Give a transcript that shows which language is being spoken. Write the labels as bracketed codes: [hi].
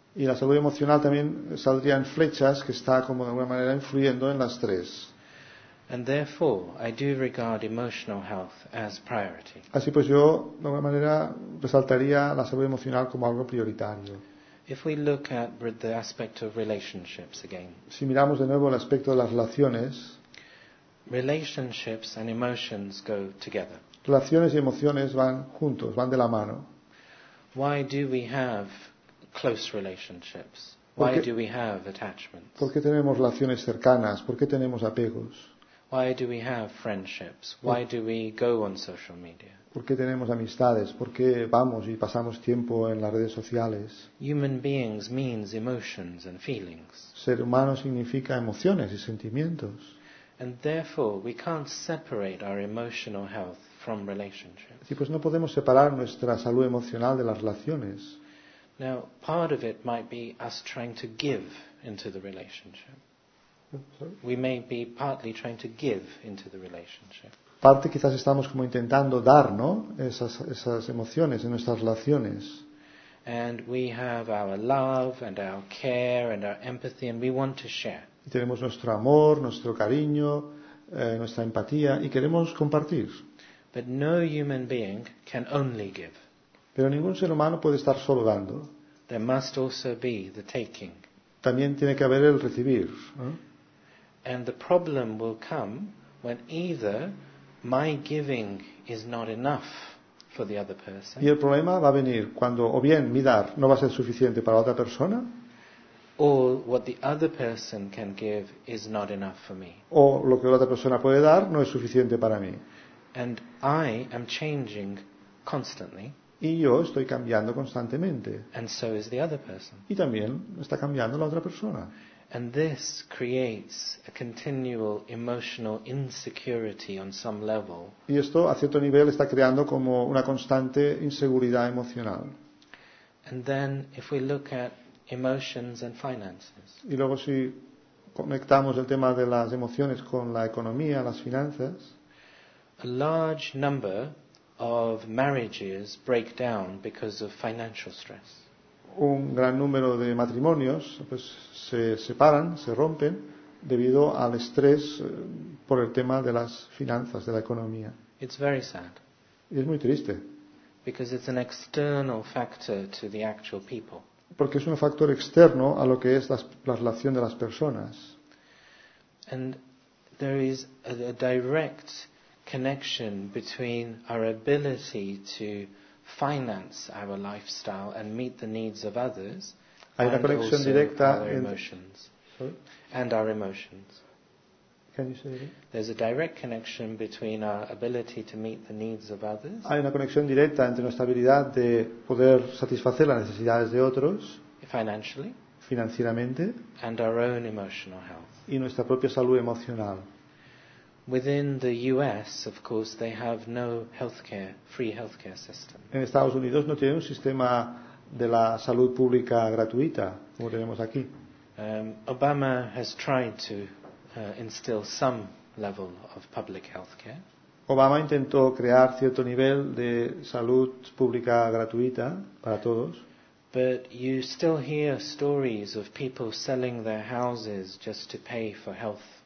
[es] Y la salud emocional también saldría en flechas que está como de alguna manera influyendo en las tres. [en] And therefore, I do regard emotional health as priority. [es] Así pues, yo de alguna manera resaltaría la salud emocional como algo prioritario. [en] If we look at the aspect of relationships again. [es] Si miramos de nuevo el aspecto de las relaciones. [en] Relationships and emotions go together. [es] Relaciones y emociones van juntos, van de la mano. [en] Why do we have close relationships? Why do we have attachments? [es] ¿Por qué tenemos relaciones cercanas? ¿Por qué tenemos apegos? [en] Why do we have friendships? Why do we go on social media? [es] ¿Por qué tenemos amistades? ¿Por qué vamos y pasamos tiempo en las redes sociales? [en] Human beings means emotions and feelings. [es] Ser humano significa emociones y sentimientos. [en] And therefore we can't separate our emotional health from relationships. [es] Sí, pues no podemos separar nuestra salud emocional de las relaciones. [en] Now, part of it might be us trying to give into the relationship. Sorry? We may be partly trying to give into the relationship. [es] Parte quizás estamos como intentando dar, ¿no? Esas emociones en nuestras relaciones. [en] And we have our love and our care and our empathy and we want to share. [es] Y tenemos nuestro amor, nuestro cariño, nuestra empatía y queremos compartir. [en] But no human being can only give. [es] Pero ningún ser humano puede estar solo dando. [en] There must also be the taking. [es] También tiene que haber el recibir, ¿no? [en] And the problem will come when either my giving is not enough for the other person. [es] Y el problema va a venir cuando o bien mi dar no va a ser suficiente para la otra persona. [en] Or what the other person can give is not enough for me. [es] O lo que la otra persona puede dar no es suficiente para mí. [en] And I am changing constantly. [es] Y yo estoy cambiando constantemente. [en] And so is the other person. [es] Y también está cambiando la otra persona. [en] And this creates a continual emotional insecurity on some level. [es] Y esto a cierto nivel está creando como una constante inseguridad emocional. [en] And then if we look at emotions and finances. [es] Y luego si conectamos el tema de las emociones con la economía, las finanzas. [en] A large number of marriages break down because of financial stress. [es] Un gran número de matrimonios pues, se separan, se rompen debido al estrés por el tema de las finanzas, de la economía. [en] It's very sad. [es] Y es muy triste. [en] Because it's an external factor to the actual people. [es] Porque es un factor externo a lo que es la relación de las personas. [en] And there is a direct connection between our ability to finance our lifestyle and meet the needs of others and also our emotions. And our emotions. Can you say it? There's a direct connection between our ability to meet the needs of others. [es] Hay una conexión directa entre nuestra habilidad de poder satisfacer las necesidades de otros. [en] Financially. [es] Financieramente. [en] And our own emotional health. [es] Y nuestra propia salud emocional. [en] Within the U.S., of course, they have no healthcare, free healthcare system. [es] En Estados Unidos no tienen un sistema de la salud pública gratuita como tenemos aquí. [en] Obama has tried to instill some level of public healthcare. [es] Obama intentó crear cierto nivel de salud pública gratuita para todos. [en] But you still hear stories of people selling their houses just to pay for health.